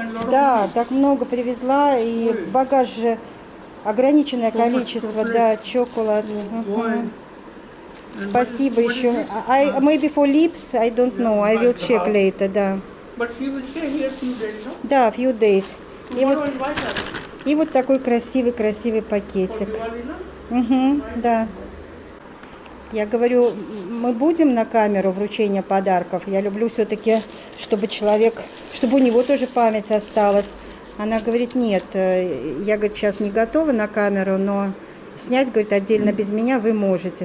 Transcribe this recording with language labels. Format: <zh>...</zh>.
<ru>Да, так много привезла, и в багаже ограниченное количество, да, чоколад. Спасибо еще.</ru> <en>Maybe for lips, I don't know, I will check later, да. But he will stay here few days, no?</en> <ru>Да,</ru> <en>few days.</en> <ru>И вот... И вот такой красивый-красивый пакетик. Угу, да. Я говорю, мы будем на камеру вручения подарков. Я люблю все-таки, чтобы человек, чтобы у него тоже память осталась. Она говорит, нет, я, говорит, сейчас не готова на камеру, но снять, говорит, отдельно без меня вы можете.</ru>